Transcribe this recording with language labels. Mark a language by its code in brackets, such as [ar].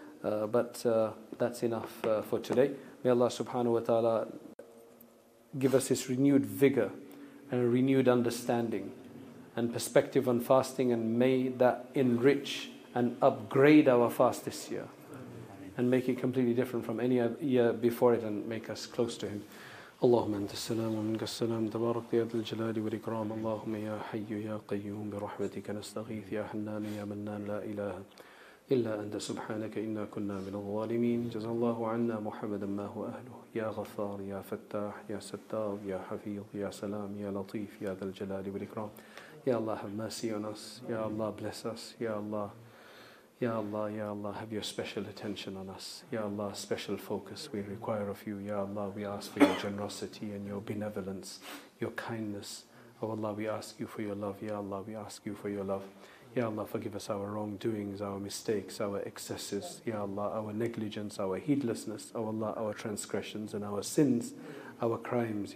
[en] That's enough for today. May Allah subhanahu wa ta'ala give us this renewed vigor and a renewed understanding and perspective on fasting, and may that enrich and upgrade our fast this year and make it completely different from any year before it and make us close to Him. [ar] اللهم انت السلام ومنك السلام تبارك يا ذا الجلال والاكرام اللهم يا حي يا قيوم برحمتك نستغيث يا حنان يا منان لا اله الا انت سبحانك انا كنا من الظالمين جزا الله عنا محمدا ما هو اهله يا غفار يا فتاح يا ستار يا حفيظ يا سلام يا لطيف يا ذا الجلال والاكرام يا الله [en] have mercy on us [ar] يا الله [en] bless us [ar] يا الله [en] Ya Allah, Ya Allah, have your special attention on us. Ya Allah, special focus we require of you. Ya Allah, we ask for your generosity and your benevolence, your kindness. Oh Allah, we ask you for your love. Ya Allah, we ask you for your love. Ya Allah, forgive us our wrongdoings, our mistakes, our excesses. Ya Allah, our negligence, our heedlessness. Oh Allah, our transgressions and our sins, our crimes.